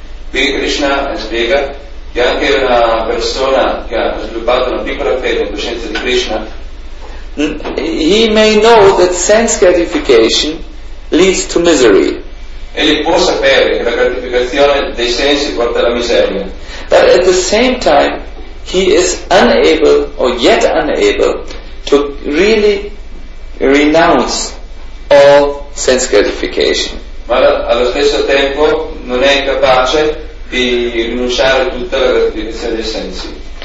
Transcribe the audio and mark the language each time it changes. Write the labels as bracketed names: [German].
[Italian] qui Krishna spiega che anche una persona che ha sviluppato una piccola fede in coscienza di Krishna, [English] he may know that sense gratification leads to misery. [Italian] Egli può sapere che la gratificazione dei sensi porta alla miseria. [English] But at the same time, he is unable, or yet unable, to really renounce all sense gratification. [Italian] Ma allo stesso tempo non è capace di rinunciare a tutta la gratificazione dei sensi.